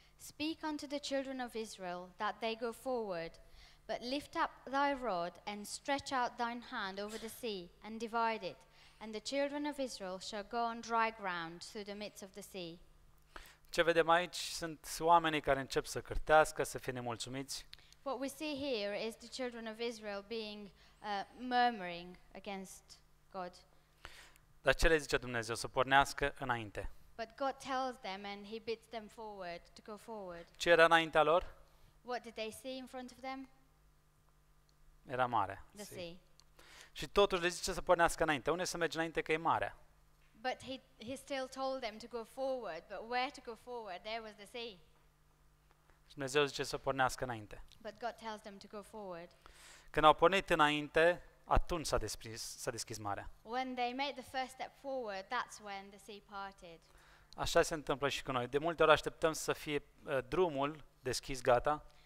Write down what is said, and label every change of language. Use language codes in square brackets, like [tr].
[en] Speak unto the children of Israel, that they go forward. But lift up thy rod, and stretch out thine hand over the sea, and divide it. And the children of Israel shall go on dry ground through the midst of the sea. [ro] Ce vedem aici sunt oamenii care încep să cârtească, să fie nemulțumiți. [en] What we see here is the children of Israel being murmuring against God. [ro] Dar ce le zice Dumnezeu? Să pornească înainte. [en] But God tells them and he bids them forward to go forward. [ro] Ce era înaintea lor? [en] What did they see in front of them? [ro] Era mare. [en] The sea. [ro] Și totuși le zice să pornească înainte. Unde să mergi înainte că e mare? [en] But he still told them to go forward, but where to go forward? There was the sea. [ro] Dumnezeu zice să pornească înainte. [en] But God tells them to go forward. [ro] Când au pornit înainte, atunci s-a deschis marea. [en] When they made the first step forward, that's when the sea parted. [ro] Așa se întâmplă și cu noi. De multe ori așteptăm să fie drumul deschis, gata.